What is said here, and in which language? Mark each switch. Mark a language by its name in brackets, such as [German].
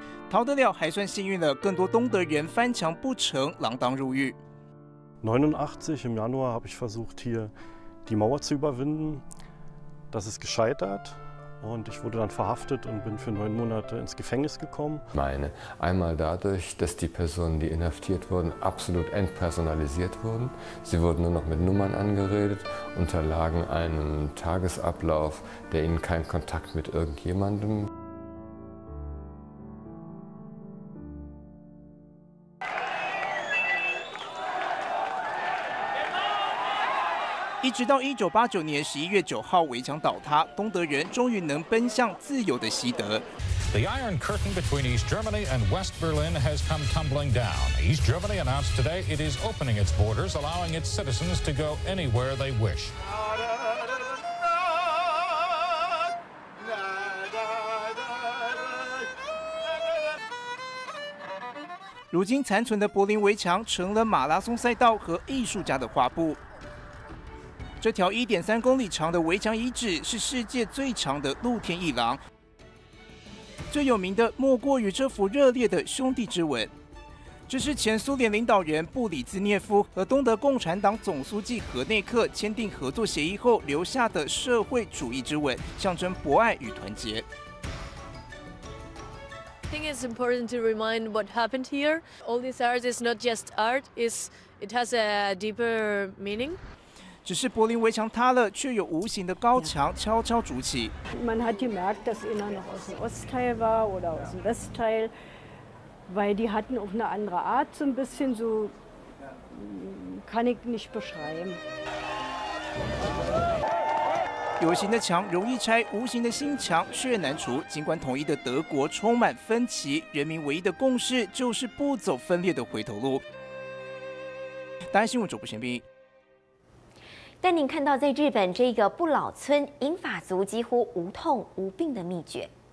[Chinese] 逃得了还算幸运了，更多东德人翻墙不成，锒铛入狱。 [German] 89 im Januar habe ich versucht hier die Mauer zu überwinden. Das ist gescheitert und ich wurde dann verhaftet und bin für 9 Monate ins Gefängnis gekommen. Meine, einmal dadurch, dass die Personen, die inhaftiert wurden, absolut entpersonalisiert wurden. Sie wurden nur noch mit Nummern angeredet, unterlagen einem Tagesablauf, der ihnen keinen Kontakt mit irgendjemandem gab. [Chinese] 一直到1989年11月9号围墙倒塌，东德人终于能奔向自由的西德。 [English] The Iron Curtain between East Germany and West Berlin has come tumbling down. East Germany announced today it is opening its borders, allowing its citizens to go anywhere they wish. [Chinese] 如今残存的柏林围墙成了马拉松赛道和艺术家的画布。这条 1.3 公里长的围墙遗址是世界最长的露天艺廊，最有名的莫过于这幅热烈的兄弟之吻。这是前苏联领导人布里兹涅夫和东德共产党总书记何内克签订合作协议后留下的社会主义之吻，象征博爱与团结。 [English] I think it's important to remind what happened here. All this art is not just art, it has a deeper meaning. [Chinese] 只是柏林围墙塌了，却有无形的高墙悄悄筑起。 [German] Man hat gemerkt, dass einer noch aus dem Ostteil war oder aus dem Westteil, weil die hatten auch eine andere Art, so ein bisschen so, kann ich nicht beschreiben. [Chinese] 有形的墙容易拆，无形的心墙却难除。尽管统一的德国充满分歧，人民唯一的共识就是不走分裂的回头路。大安新闻主播玄彬。带您看到在日本这个不老村，银发族几乎无痛无病的秘诀。